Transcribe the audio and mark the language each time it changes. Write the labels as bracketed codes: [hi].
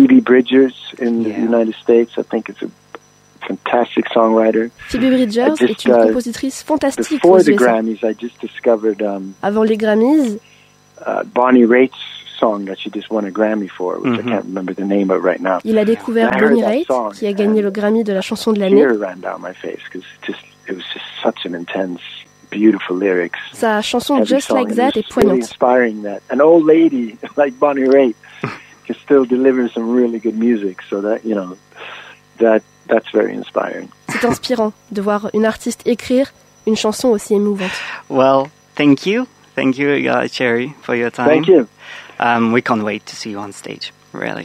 [en] Phoebe Bridgers in the United States, I think it's a fantastic songwriter. [fr] Phoebe Bridgers est une compositrice fantastique. [en] Before the Grammys, I just discovered. [fr] Avant les Grammys. [en] Bonnie Raitt's song that she just won a Grammy for, which I can't remember the name of right now. [fr] Il a découvert Bonnie Raitt, qui a gagné le Grammy de la chanson de l'année. [en] A tear ran down my face because it was just such an intense, beautiful lyrics. [fr] Sa chanson Just Like That est poignante. [en] Really inspiring that an old lady like Bonnie Raitt can still deliver some really good music. So that, you know, that's very inspiring. [fr] C'est inspirant de voir une artiste écrire une chanson aussi émouvante. [en] Well, thank you. Thank you, Cherry, for your time. Thank you. We can't wait to see you on stage, really.